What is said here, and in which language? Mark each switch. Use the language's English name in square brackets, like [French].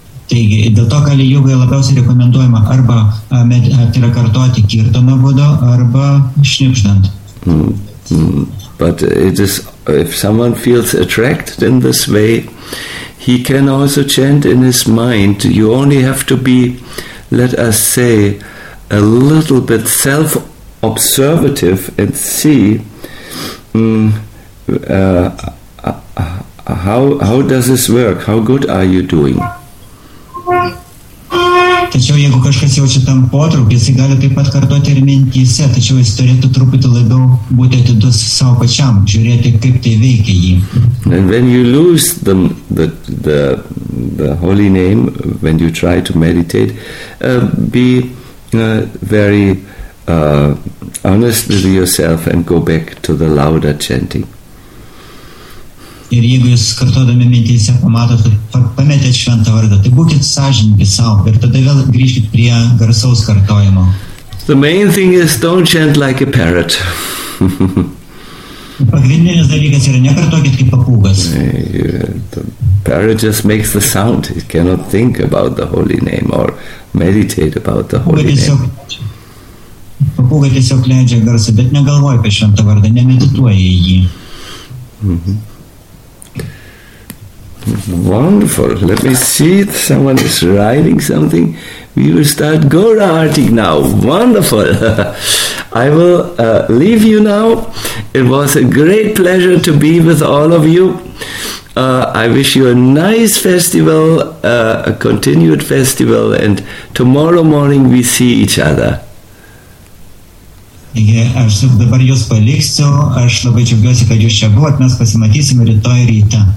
[Lithuanian] Taigi, dėl to Kali Yuga labiausiai rekomenduojama arba kartuoti Kirtano būdo, arba šnipštant. [English] But it is, if someone feels attracted in this way, he can also chant in his mind. You only have to be, let us say, a little bit self-observative and see how does this work? How good are you doing? [Lithuanian] Tačiau jeigu kažkas jaučia tam potraukį, jis gali taip pat kartuoti ir mintyse, tačiau jis turėtų truputį labiau būti atidus savo pačiam, žiūrėti, kaip tai veikia jį. [English] And when you lose the holy name, when you try to meditate, be very honest with yourself and go back to the louder chanting. [Lithuanian] Ir jeigu jūs kartuodami mintyse pamatot, pametėt šventą vardą, tai būkit sąžininkai sau ir tada vėl grįžkit prie garsaus kartojimo. [English] The main thing is don't chant like a parrot. [Lithuanian] Pagrindinis dalykas yra nekartokit kaip papūgas. [English] The parrot just makes the sound. It cannot think about the holy name or meditate about the holy name. [Lithuanian] Papūga tiesiog leidžia garsą, bet negalvoja apie šventą vardą, nemedituoja į jį. [English] Wonderful. Let me see if someone is writing something. We will start Gaura Arti now. Wonderful. I will leave you now. It was a great pleasure to be with all of you. I wish you a nice festival, a continued festival, and tomorrow morning we see each other. [Lithuanian] Aš dabar jūs paliksiu, aš labai džiaugiuosi, kad jūs čia buvot, mes pasimatysime rytoj rytą.